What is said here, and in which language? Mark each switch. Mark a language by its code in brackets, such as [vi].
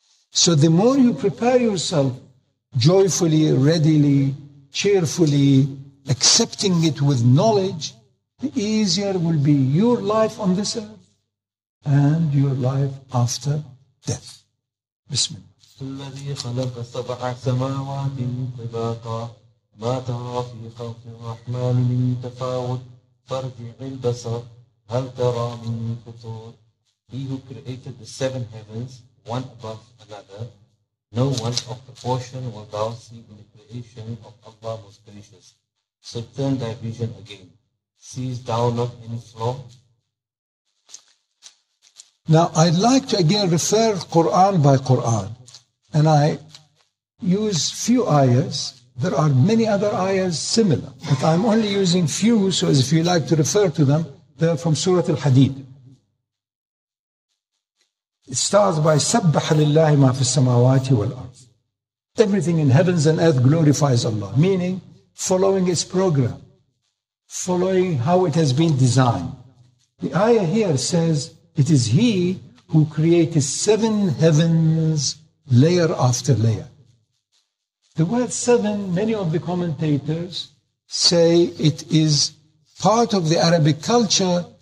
[en] So the more you prepare yourself joyfully, readily, cheerfully, accepting it with knowledge, the easier will be your life on this earth and your life after death. Bismillah. [ar] الذي خلق سبع سماوات طباقا ما ترى في خلق الرحمن من تفاوت فارجع البصر هل ترى من فطور. [en] He who created the seven heavens, one above another, no one of proportion will thou see in the creation of Allah most gracious. So turn thy vision again. Seest thou not any flaw? Now, I'd like to again refer Qur'an by Qur'an. And I use few ayahs. There are many other ayahs similar. But I'm only using few, so as if you like to refer to them, they're from Surah Al-Hadid. It starts by, [ar] سَبَّحَ لِلَّهِ مَا فِي السَّمَاوَاتِ وَالْأَرْضِ. [en] Everything in heavens and earth glorifies Allah. Meaning, following its program. Following how it has been designed. The ayah here says, it is he who created seven heavens layer after layer. The word seven, many of the commentators say it is part of the Arabic culture.